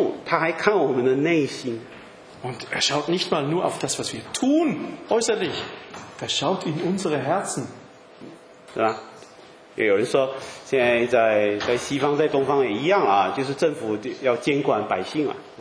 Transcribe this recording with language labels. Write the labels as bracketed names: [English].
[Chinese] 他不单看我们的行动，他还看我们的内心。 [German] Und er schaut nicht mal nur auf das, was wir tun, äußerlich. Er schaut in unsere Herzen. Ja. [Chinese] 有人说，现在在西方，在东方也一样啊，就是政府要监管百姓啊。